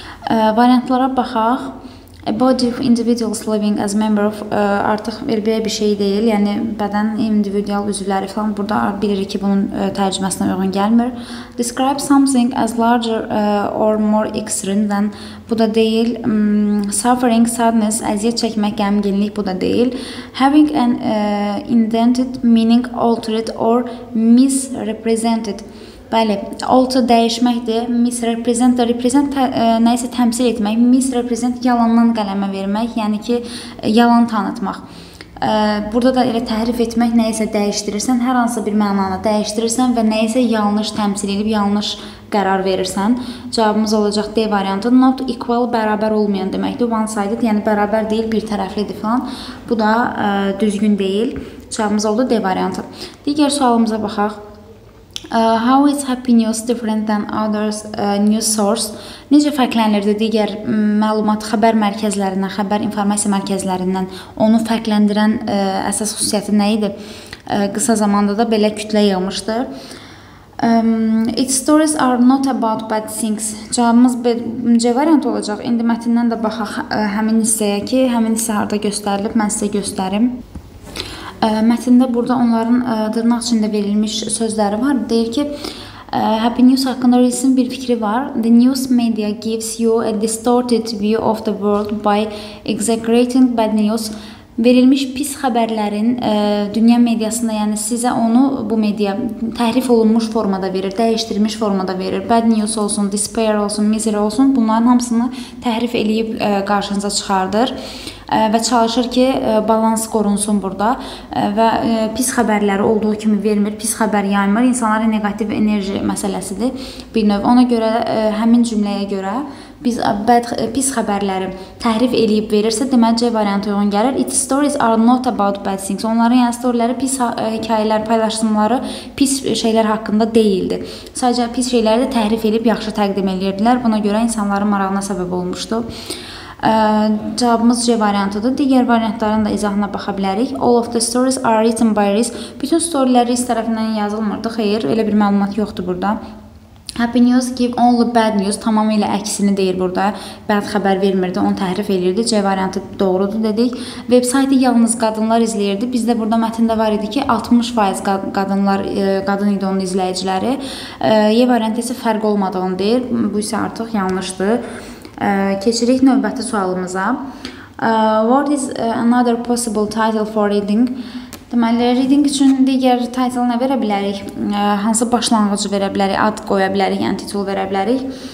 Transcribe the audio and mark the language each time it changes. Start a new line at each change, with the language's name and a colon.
Azerbaijani: Variantlara baxaq.
English: A body of individuals living as member of
Azerbaijani: artıq belə bir şey deyil. Yəni, bədən, individual üzvləri falan burada bilirik ki, bunun tərcüməsinə uyğun gəlmir.
English: Describe something as larger or more extreme than
Azerbaijani: bu da deyil. Suffering, sadness, əziyyət çəkmək, gəmginlik bu da deyil.
English: Having an indented meaning altered or misrepresented.
Azerbaijani: Bəli, alter dəyişməkdir, misrepresent, represent nəyisə təmsil etmək, misrepresent yalandan qələmə vermək, yəni ki, yalan tanıtmaq. Burada da elə təhrif etmək nəyisə dəyişdirirsən, hər hansı bir mənanı dəyişdirirsən və nəyisə yanlış təmsil edib, yanlış qərar verirsən. Cavabımız olacaq D variantı.
English: Not equal,
Azerbaijani: bərabər olmayan deməkdir.
English: One sided,
Azerbaijani: yəni bərabər deyil, bir tərəflidir falan. Bu da düzgün deyil. Cavabımız oldu D variantı. Digər sualımıza baxaq.
English: How is happy news different than others news source?
Azerbaijani: Necə fərqlənirdi digər məlumat xəbər mərkəzlərindən, xəbər informasiya mərkəzlərindən? Onu fərqləndirən əsas xüsusiyyəti nə idi? Qısa zamanda da belə kütlə yığmışdı.
English: Its stories are not about bad things.
Azerbaijani: Cavabımız C variant olacaq. İndi mətindən də baxaq həmin hissəyə ki, həmin hissə harada göstərilib, mən sizə göstərim. Mətində burada onların dırnaq içində verilmiş sözləri var. Deyir ki, Happy News haqqında Reese'in bir fikri var.
English: The news media gives you a distorted view of the world by exaggerating bad news.
Azerbaijani: Verilmiş pis xəbərlərin dünya mediasında, yəni sizə onu bu media təhrif olunmuş formada verir, dəyişdirilmiş formada verir. Bad news olsun, despair olsun, misery olsun, bunların hamısını təhrif eləyib qarşınıza çıxardır. Və çalışır ki, balans qorunsun burada və pis xəbərləri olduğu kimi vermir, pis xəbər yaymır. İnsanlara negativ enerji məsələsidir bir növ. Ona görə, həmin cümləyə görə biz pis xəbərləri təhrif eləyib verirsə, deməli C variantı uyğun gəlir.
English: Its stories are not about bad things.
Azerbaijani: Onların yəni storyləri, pis hekayələr, paylaşımları pis şeylər haqqında deyildi. Sadəcə pis şeyləri də təhrif eləyib yaxşı təqdim edirdilər. Buna görə insanların marağına səbəb olmuşdu. Cavabımız C variantıdır. Digər variantların da izahına baxa bilərik.
English: All of the stories are written by Reese.
Azerbaijani: Bütün storylər Reese tərəfindən yazılmırdı. Xeyr, elə bir məlumat yoxdur burada.
English: Happy news give only bad news.
Azerbaijani: Tamamilə əksini deyir burada. Bəd xəbər vermirdi, onu təhrif edirdi. C variantı doğrudur dedik. Websaytı yalnız qadınlar izləyirdi. Bizdə burada mətində var idi ki, 60% qadın idi onun izləyiciləri. Y variantı isə fərq olmadı onu deyir. Bu isə artıq yanlışdır. Keçirik növbəti sualımıza.
English: What is another possible title for reading?
Azerbaijani: Deməli, reading üçün digər title nə verə bilərik? Hansı başlanğıcı verə bilərik? Ad qoya bilərik, yəni titul verə bilərik.